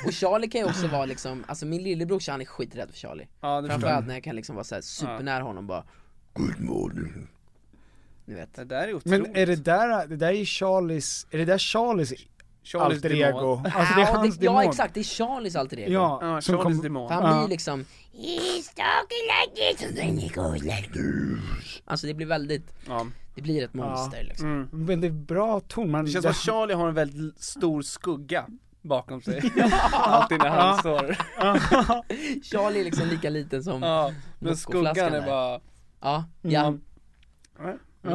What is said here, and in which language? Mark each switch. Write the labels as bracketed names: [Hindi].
[Swedish] Och Charlie kan ju också vara liksom, alltså min lillebror, han är skiträdd för Charlie. Ja, det framförallt när jag kan liksom vara så här supernära honom, bara good morning. Ni vet. Det där är otroligt. Men är det där Charlies alter ego? Alltså det är hans demon. Ja, exakt, det är Charlies alter ego. Ja, Charlies demon. Han blir liksom [English] he's talking like this and then he goes like this. [Swedish] Alltså det blir väldigt det blir ett monster liksom. Men det är bra ton. Det känns som att Charlie har en väldigt stor skugga. bakom sig. Alltid när han står. Charlie är liksom lika liten som men skuggan är bara... Ja, ja. Mm.